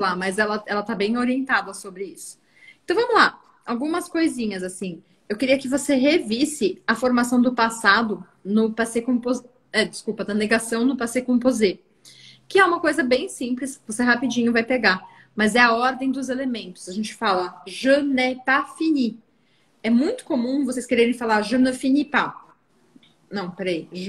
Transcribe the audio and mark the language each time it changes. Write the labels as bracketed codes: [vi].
[pt] lá, mas ela está bem orientada sobre isso. Então, vamos lá. Algumas coisinhas assim. Eu queria que você revisse a formação do passado no passé composé. Desculpa, da negação no passé composé. Que é uma coisa bem simples, você rapidinho vai pegar. Mas é a ordem dos elementos. A gente fala [fr] je n'ai pas fini. [pt] É muito comum vocês quererem falar [fr] je ne finis pas. [pt] Não, peraí.